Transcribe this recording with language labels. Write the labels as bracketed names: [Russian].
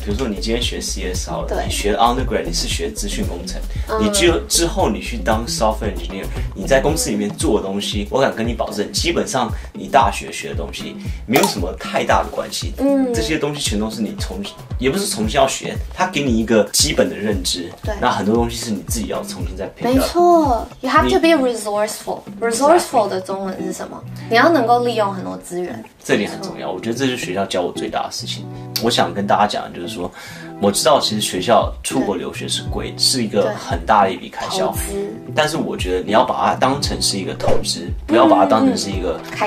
[Chinese] 比如说你今天学 CS 好了，你学 Undergrad， 你是学资讯工程，你之后你去当 Software Engineer， 你在公司里面做的东西，我敢跟你保证，基本上你大学学的东西没有什么太大的关系。这些东西全都是你从，也不是重新要学，他给你一个基本的认知。对，那很多东西是你自己要重新再培养。没错， [English] you have to be resourceful。 [Chinese] resourceful 的中文是什么？你要能够利用很多资源，这点很重要。我觉得这是学校教我最大的事情。我想跟大家讲的就是说，我知道其实学校出国留学是贵，是一个很大的一笔开销，但是我觉得你要把它当成是一个投资，不要把它当成是一个